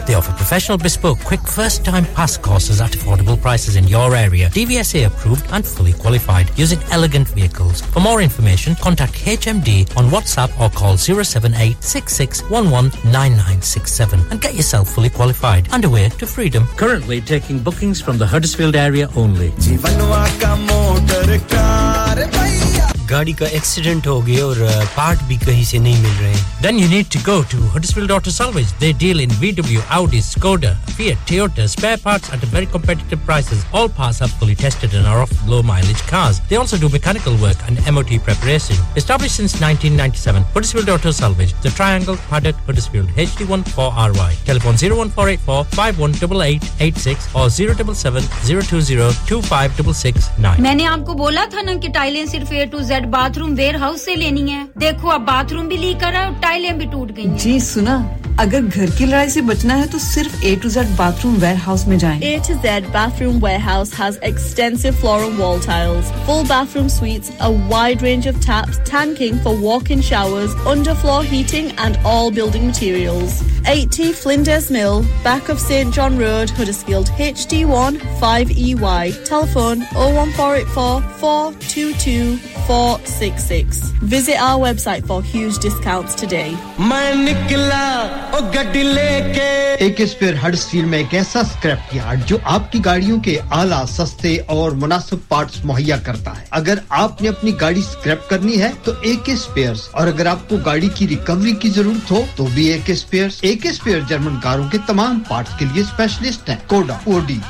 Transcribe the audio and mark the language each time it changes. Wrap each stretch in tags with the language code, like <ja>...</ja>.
<en>They offer professional bespoke quick first-time pass courses at affordable prices in your area, DVSA approved and fully qualified, using elegant vehicles. For more information, contact HMD on WhatsApp or call 07866119967 and get yourself fully qualified and away to freedom. Currently taking bookings from the Huddersfield area only.</en> <hi>गाड़ी का accident हो गया और part भी कहीं से नहीं मिल रहे हैं</hi> <en>Then you need to go to Huddersfield Auto Salvage. They deal in VW, Audi, Skoda, Fiat, Toyota, spare parts at very competitive prices. All parts are fully tested and are often low mileage cars. They also do mechanical work and MOT preparation. Established since 1997, Huddersfield Auto Salvage, the Triangle, Paddock, Huddersfield, HD1 4RY. Telephone 01484 518886 or 077 020 25669.</en> <hi>मैंने आपको बोला था ना कि टाइलें सिर्फ A to Z bathroom warehouse से लेनी है। देखो अब बाथरूम भी लीक कर रहा है टाइलें भी टूट गई जी सुना अगर घर की लड़ाई से बचना है तो सिर्फ A to Z Bathroom Warehouse में जाएं</hi> <en>A to Z Bathroom Warehouse has extensive floor and wall tiles full bathroom suites a wide range of taps tanking for walk-in showers underfloor heating and all building materials 80 Flinders Mill, back of St John Road, Huddersfield, HD1 5EY. Telephone 01484 422 466. Visit our website for huge discounts today.</en> <hi>एक spare Huddersfield में एक ऐसा scrap yard जो आपकी गाड़ियों के आला सस्ते और मुनासिब पार्ट्स मुहैया करता है अगर आपने अपनी गाड़ी स्क्रैप करनी है तो एक स्पेयर्स और अगर आपको गाड़ी की रिकवरी की जरूरत हो तो भी एक स्पेयर जर्मन कारों के तमाम पार्ट्स के लिए स्पेशलिस्ट हैं कोडा ओडी</hi>